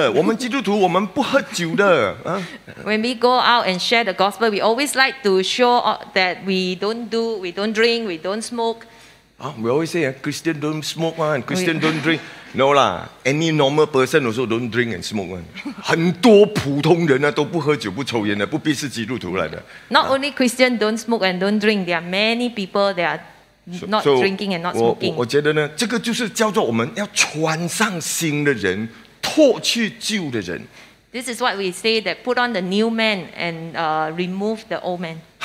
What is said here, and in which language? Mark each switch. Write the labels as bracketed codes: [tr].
[zh] 我们基督徒很喜欢跟人家做见证，我们基督徒我们不抽烟的，我们基督徒我们不喝酒的。 [en] When we go out and share the gospel, we always like to show that we don't do, we don't drink, we don't smoke. We always say, Christian don't smoke, man. Christian don't drink. No lah, any normal person also don't drink and smoke. [zh] 很多普通人都不喝酒、不抽烟的，不必是基督徒来的。 [en] Not only Christian don't smoke and don't drink, there are many people that are not drinking and not smoking. [zh] 我觉得呢，这个就是叫做我们要穿上新的人，脱去旧的人。 [en] This is what we say, that put on the new man and remove the old man.